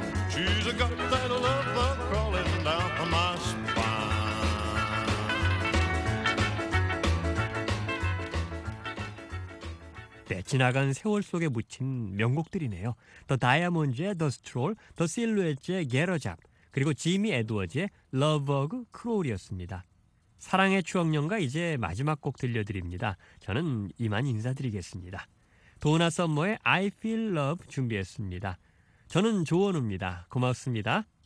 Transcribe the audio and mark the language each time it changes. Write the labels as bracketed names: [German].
[English] She's got that love bug crawling down my spine. [Korean] 네, 지나간 세월 속에 묻힌 명곡들이네요. The Diamonds의 The Stroll, The Silhouette의 Get a Job, 그리고 지미 에드워즈의 러버그 크롤이었습니다. 사랑의 추억연가 이제 마지막 곡 들려드립니다. 저는 이만 인사드리겠습니다. 도나 썸머의 I Feel Love 준비했습니다. 저는 조원우입니다. 고맙습니다.